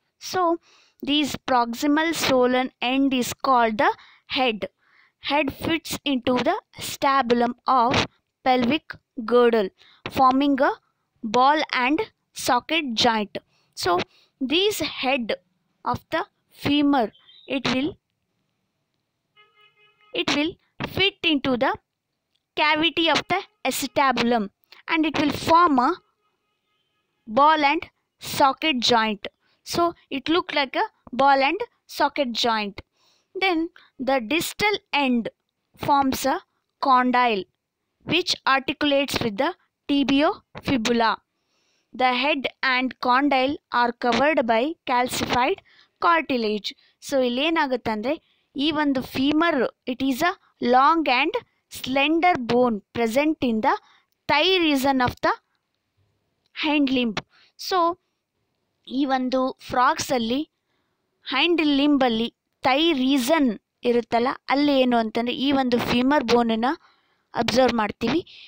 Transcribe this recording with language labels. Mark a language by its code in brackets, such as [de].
[en] So these proximal swollen end is called the head. Head fits into the acetabulum of pelvic girdle forming a ball and socket joint. So these head of the femur it will fit into the cavity of the acetabulum and it will form a ball and socket joint. So it look like a ball and socket joint. Then the distal end forms a condyle which articulates with the tibiofibula. The head and condyle are covered by calcified cartilage. So ಇಲ್ಲೇನಾಗುತ್ತೆ ಅಂದರೆ ಈ ಒಂದು femur it is a long and slender bone present in the thigh region of the hand limb. [kn] So ಈ ಒಂದು ಫ್ರಾಕ್ಸಲ್ಲಿ hand ಲಿಂಬಲ್ಲಿ Thi reason ಇರುತ್ತಲ್ಲ ಅಲ್ಲಿ ಏನು ಅಂತಂದರೆ ಈ ಒಂದು ಫೀಮರ್ ಬೋನನ್ನು ಅಬ್ಸರ್ವ್ ಮಾಡ್ತೀವಿ.